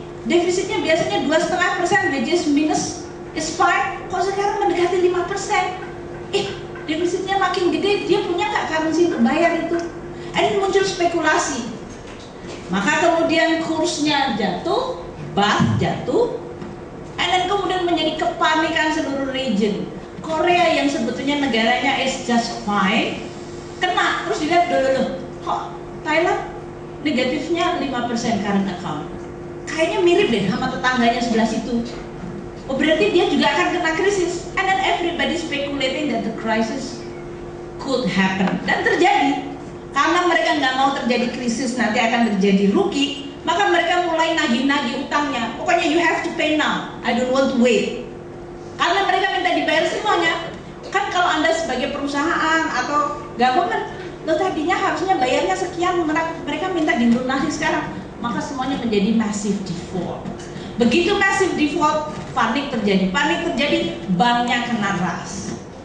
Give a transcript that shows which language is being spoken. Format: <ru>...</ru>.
<id>Defisitnya biasanya 2,5%,</id> <en>which is minus, is fine.</en> <id>Kok sekarang mendekati 5%? Defisitnya makin gede, dia punya gak currency untuk bayar itu? Ini muncul spekulasi. Maka kemudian kursnya jatuh, baht jatuh, dan kemudian menjadi kepanikan seluruh region. Korea yang sebetulnya negaranya</id> <en>is just fine,</en> <id>kena. Terus dilihat dulu, kok Thailand negatifnya 5% current account? Kayaknya mirip deh sama tetangganya sebelah situ. Oh, berarti dia juga akan kena krisis.</id> <en>And then everybody speculating that the crisis could happen.</en> <id>Dan terjadi. Karena mereka gak mau terjadi krisis, nanti akan terjadi rugi, maka mereka mulai nagih-nagih utangnya. Pokoknya</id> <en>you have to pay now, I don't want to wait.</en> <id>Karena mereka minta dibayar semuanya. Kan kalau Anda sebagai perusahaan atau government, lo tadinya harusnya bayarnya sekian, mereka minta dilunasi sekarang. Maka semuanya menjadi massive default. Begitu massive default, panik terjadi. Panik terjadi, banknya kena ras.</id>